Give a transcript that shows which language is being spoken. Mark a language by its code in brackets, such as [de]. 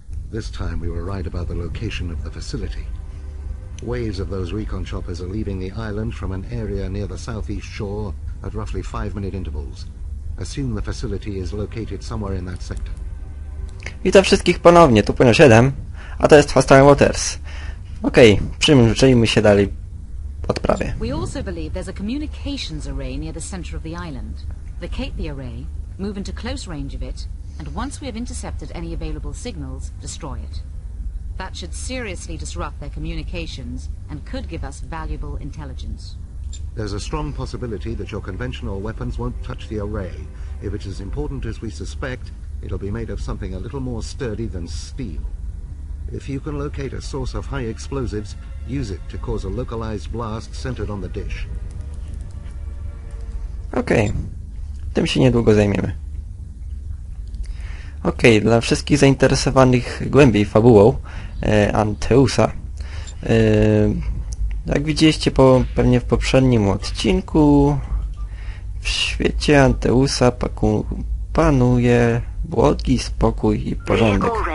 [en] This time we were right about the location of the facility. Waves of those recon choppers are leaving the island from an area near the southeast shore at roughly 5-minute intervals. Assume the facility is located somewhere in that sector. [pl] Witam wszystkich ponownie, tu Płynę 7, a to jest Hostile Waters. Okej, przyjrzyjmy się dalej odprawie. [en] We also believe there's a communications array near the center of the island. Locate the array, move into close range of it, and once we have intercepted any available signals, destroy it. That should seriously disrupt their communications and could give us valuable intelligence. There's a strong possibility that your conventional weapons won't touch the array. If it's as important as we suspect, it'll be made of something a little more sturdy than steel. If you can locate a source of high explosives, use it to cause a localized blast centered on the dish. Okay. [pl] Tym się niedługo zajmiemy. Okej, dla wszystkich zainteresowanych głębiej fabułą Anteusa, jak widzieliście pewnie w poprzednim odcinku, w świecie Anteusa panuje błogi spokój i porządek.